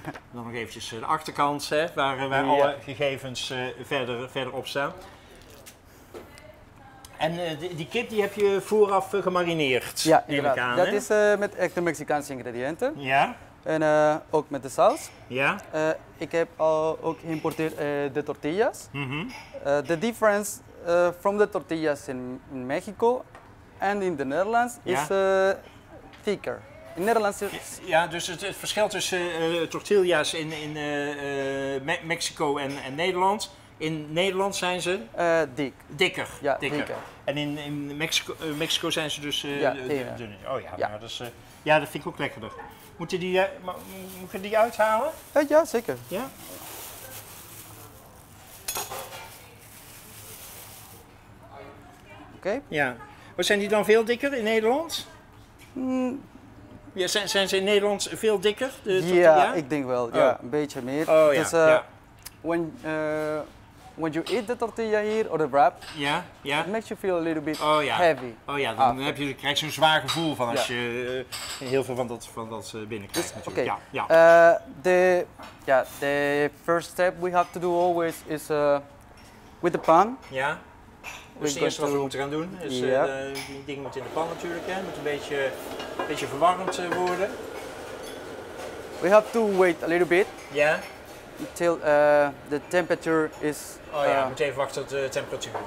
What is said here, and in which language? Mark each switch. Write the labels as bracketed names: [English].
[Dutch] Dan nog eventjes de achterkant, hè, waar alle gegevens verder op staan. En die kip die heb je vooraf gemarineerd? Ja, inderdaad. Dat is met echte Mexicaanse ingrediënten. Ja. En ook met de saus. Ja. Ik heb ook geïmporteerd de tortillas. Mm-hmm. [English] The difference from the tortillas in Mexico and in the Netherlands is thicker. [Dutch] In Nederlands is... Ja, dus het verschil tussen tortillas in Mexico en Nederland. In Nederland zijn ze dikker. Ja, dikker. En in Mexico zijn ze dus dunner. Oh ja. Ja. Dus, dat vind ik ook lekkerder. Moet je die uithalen? Ja, zeker. Ja. Oké. Okay. Ja. Maar zijn die dan veel dikker in Nederland? Ja, zijn ze in Nederland veel dikker? Ik denk wel. Oh. Ja, een beetje meer. Oh ja. Dus, ja. [English] When when you eat the tortilla here or the wrap, yeah, yeah, it makes you feel a little bit heavy. [Dutch] Oh yeah, dan heb je, krijg je zo'n zwaar gevoel van als je heel veel van dat binnenkrijgt. Dus, okay. [English] The first step we have to do always is with the pan. Yeah. [Dutch] Dus het eerste wat we moeten gaan doen is die ding moet in de pan natuurlijk, hè, moet een beetje verwarmd worden. [English] We have to wait a little bit. Yeah. Till the temperature is. [Dutch] Oh ja, moet even wachten tot de temperatuur